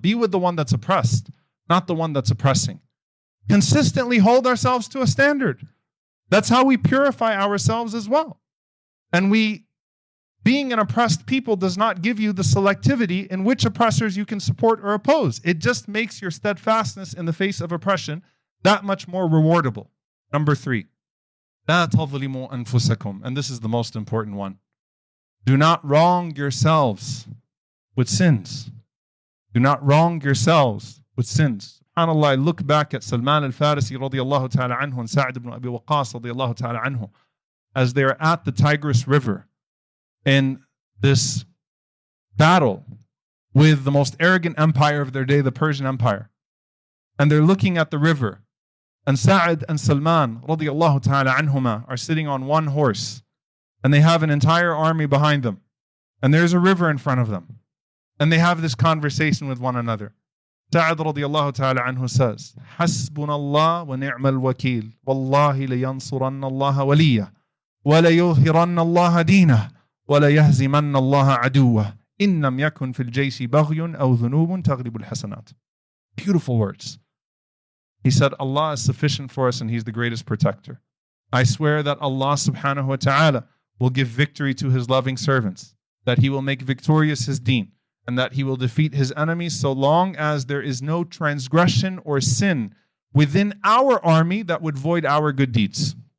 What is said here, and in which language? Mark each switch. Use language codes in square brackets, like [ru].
[en] Be with the one that's oppressed, not the one that's oppressing. Consistently hold ourselves to a standard. That's how we purify ourselves as well. And we, being an oppressed people, does not give you the selectivity in which oppressors you can support or oppose. It just makes your steadfastness in the face of oppression that much more rewardable. Number three, [ar] لا تظلموا أنفسكم. [en] And this is the most important one. Do not wrong yourselves with sins. Do not wrong yourselves with sins. SubhanAllah, I look back at Salman al-Farisi radiallahu ta'ala anhu and Sa'd ibn Abi Waqqas radiallahu ta'ala anhu as they are at the Tigris River in this battle with the most arrogant empire of their day, the Persian Empire. And they're looking at the river. And Sa'd and Salman radiallahu ta'ala anhumah are sitting on one horse and they have an entire army behind them. And there's a river in front of them. And they have this conversation with one another. Sa'd radiallahu ta'ala anhu says, [ar] حَسْبُنَ اللَّهُ وَنِعْمَ الْوَكِيلُ وَاللَّهِ لَيَنْصُرَنَّ اللَّهَ وَلِيَّهُ وَلَيُظْهِرَنَّ اللَّهَ دِينَهُ وَلَيَهْزِمَنَّ اللَّهَ عَدُوَّهُ إن لم يكن في الجيش بغي أو ذنوب تغلب الحسنات. [en] Beautiful words. He said, Allah is sufficient for us and He's the greatest protector. I swear that Allah subhanahu wa ta'ala will give victory to His loving servants, that He will make victorious His deen, and that He will defeat His enemies so long as there is no transgression or sin within our army that would void our good deeds.